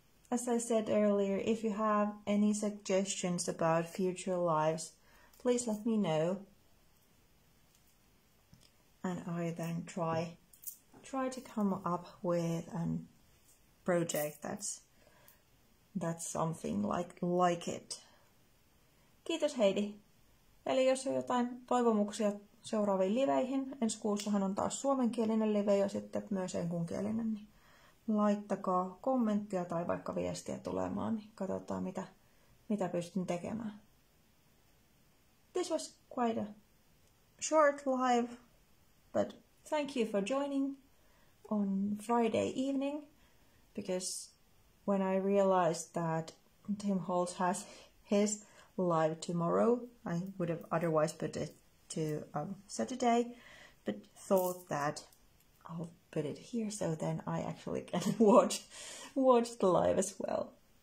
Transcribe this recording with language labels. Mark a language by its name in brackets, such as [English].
[English] As I said earlier, if you have any suggestions about future lives, please let me know. And I then try to come up with a project that's something like it. [Finnish] Kiitos Heidi. Eli jos on jotain toivomuksia seuraaviin liveihin, ensi kuussahan on taas suomenkielinen live ja sitten myös englanninkielinen, niin laittakaa kommenttia tai vaikka viestiä tulemaan, niin katsotaan mitä pystyn tekemään. [English] This was quite a short live, but thank you for joining on Friday evening, because when I realized that Tim Holtz has his live tomorrow, I would have otherwise put it to Saturday, but thought that I'll put it here so then I actually can watch the live as well.